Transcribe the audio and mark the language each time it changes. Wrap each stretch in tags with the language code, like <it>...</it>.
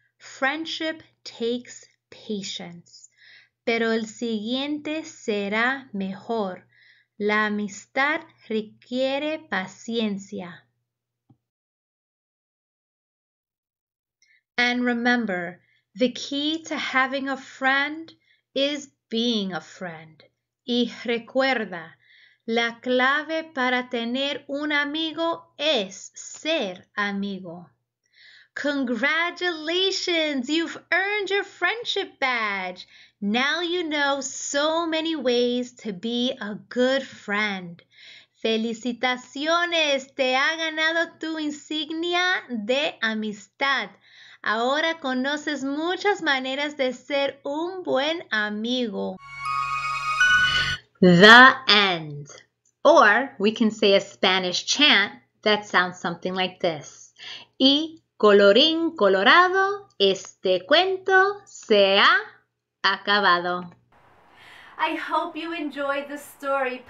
<es>Friendship takes patience. Pero el siguiente será mejor. La amistad requiere paciencia.</es> <en>And remember, the key to having a friend is being a friend.</en> <es>Y recuerda, la clave para tener un amigo es ser amigo.</es> <en>Congratulations! You've earned your friendship badge. Now you know so many ways to be a good friend.</en> <es>¡Felicitaciones! Te ha ganado tu insignia de amistad. Ahora conoces muchas maneras de ser un buen amigo.</es> <en>The end. Or we can say a Spanish chant that sounds something like this.</en> <es>Y colorín colorado, este cuento se ha acabado.</es> <en>I hope you enjoyed the story.</en>